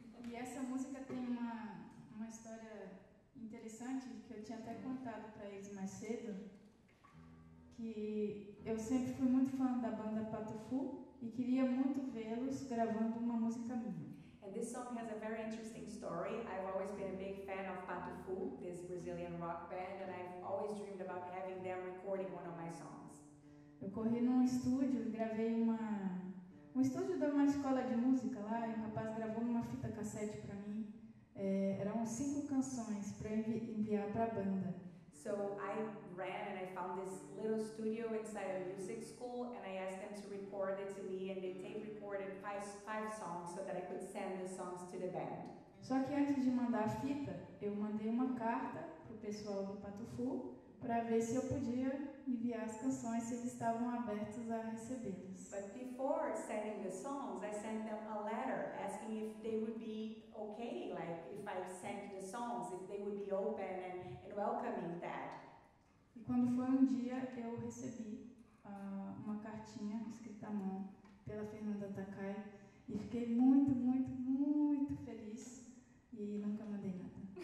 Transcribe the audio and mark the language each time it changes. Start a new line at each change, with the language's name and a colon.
Portuguese: E essa música tem uma história interessante que eu tinha até contado para eles mais cedo, que eu sempre fui muito fã da banda Pato Fu e queria muito vê-los gravando uma música minha.
English: And this song has a very interesting story. I've always been a big fan of Pato Fu, this Brazilian rock band, and I've always dreamed about having them recording one of my songs.
Portuguese: Eu corri num estúdio e gravei um estúdio de uma escola de música lá, e um rapaz gravou numa fita cassete para mim. Eram 5 canções para enviar para a banda.
English: So I ran and I found this little studio inside a music school and I asked them to record it to me and they tape recorded 5 songs so that I could send the songs to the band.
Portuguese: Só que antes de mandar a fita, eu mandei uma carta pro pessoal do Pato Fu para ver se eu podia enviar as canções, se eles estavam abertos a recebê-las.
English: But before sending the songs, I sent them a letter asking if they would be okay, like if I sent the songs, if they would be open and welcoming that.
Portuguese: E quando foi um dia, eu recebi uma cartinha escrita à mão pela Fernanda Takai e fiquei muito, muito, muito feliz e nunca mandei nada.